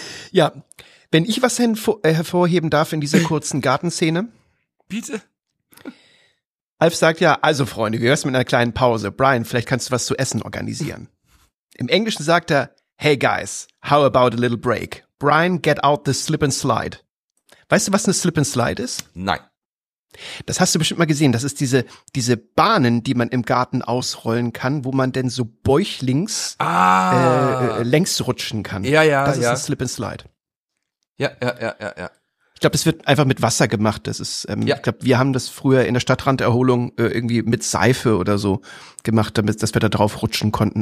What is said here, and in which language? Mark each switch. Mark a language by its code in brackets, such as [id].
[de] Ja, wenn ich was hervorheben darf in dieser kurzen Gartenszene. Bitte. Alf sagt ja, also Freunde, wir hören es mit einer kleinen Pause. Brian, vielleicht kannst du was zu essen organisieren. Im Englischen sagt er, [en] hey guys, how about a little break? Brian, get out the slip and slide. [de] Weißt du, was eine slip and slide ist? Nein. Das hast du bestimmt mal gesehen. Das ist diese Bahnen, die man im Garten ausrollen kann, wo man denn so bäuchlings längs rutschen kann. Ja, ja, das ist ja ein Slip and Slide. Ja, ja, ja, ja, ja. Ich glaube, das wird einfach mit Wasser gemacht. Das ist, ja. Ich glaube, wir haben das früher in der Stadtranderholung irgendwie mit Seife oder so gemacht, damit, dass wir da drauf rutschen konnten.